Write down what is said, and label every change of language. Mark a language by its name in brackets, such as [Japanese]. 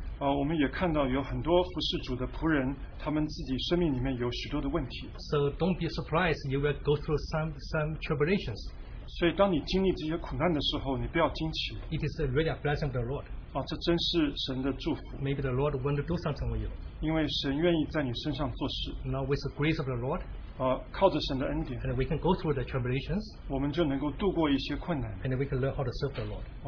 [Chinese] 我们也看到有很多服侍主的仆人，他们自己生命里面有许多的问题。 [English] So don't be surprised you will go through some tribulations. [Chinese] 所以当你经历这些苦难的时候，你不要惊奇。 [English] It is really a blessing of the Lord. [Chinese] 这真是神的祝福。 [English] Maybe the Lord want to do something with you. [Chinese] 因为神愿意在你身上做事。 [English] Now with the grace of the Lord. [Chinese] 靠着神的恩典, [English] and we can go through the tribulations, and we can learn how to serve the Lord.